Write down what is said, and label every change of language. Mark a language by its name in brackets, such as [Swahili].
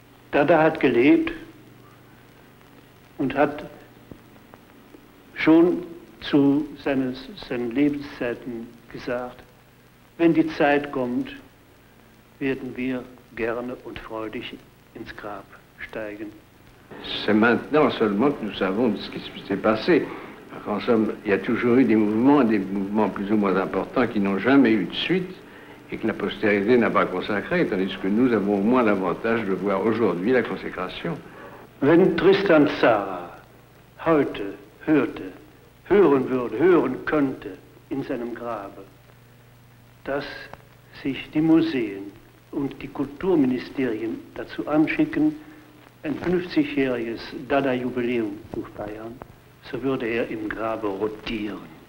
[German] Dada hat gelebt und hat schon zu seinen Lebenszeiten gesagt, wenn die Zeit kommt, werden wir gerne und freudig ins Grab steigen. [French] C'est maintenant seulement que nous savons ce qui s'est passé. En somme, il y a toujours eu des mouvements plus ou moins importants qui n'ont jamais eu de suite et que la postérité n'a pas consacré, tandis que nous avons au moins l'avantage de voir aujourd'hui la consécration. [German] Wenn Tristan Tzara heute hörte, hören würde, hören könnte in seinem Grabe, dass sich die Museen und die Kulturministerien dazu anschicken, ein 50-jähriges Dada-Jubiläum zu feiern, so würde er im Grabe rotieren.